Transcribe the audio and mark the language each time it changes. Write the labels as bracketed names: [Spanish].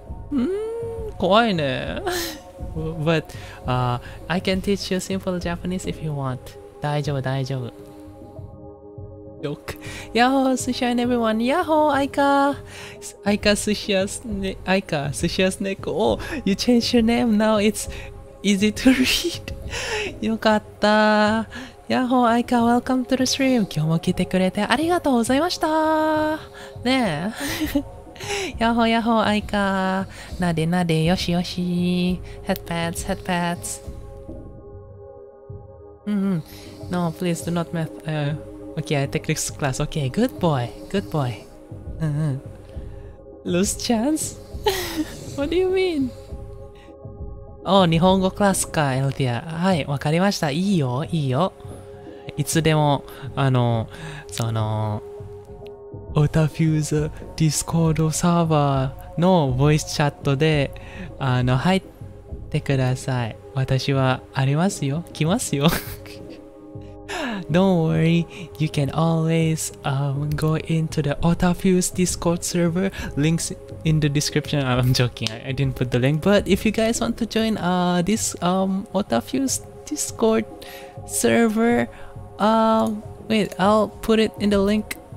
[Japanese] うん、怖いね。 [English] But、I can teach you simple Japanese if you want. [Japanese] 大丈夫、大丈夫。よく。 [English] Yahoo, sushi and everyone! Yahoo, Aika! Aika, sushi as neko! Aika, sushi as neko! Oh, you changed your name, now it's easy to read! [Japanese] よかった。ヤッホーアイカ、 [English] Welcome to the stream! [Japanese] 今日も来てくれてありがとうございましたねえ。ヤッホーヤッホーアイカ、なでなで、よしよし。 [English] ヘッドパッツ、ヘッドパッツ。うんうん。No, please do not mess. Okay, I take this class. Okay, good boy, good boy. うんうん。Lose chance? What do you mean? [Japanese] おう、日本語クラスか、エルティア。はい、わかりました。いいよ、いいよ。いつでも、オタフューズディスコードサーバーのボイスチャットで、入ってください。私はありますよ。来ますよ。 [English] Don't worry, you can always、go into the Otafuse Discord server. Links in the description. I'm joking, I didn't put the link. But if you guys want to join this Otafuse Discord server, wait, I'll put it in the link.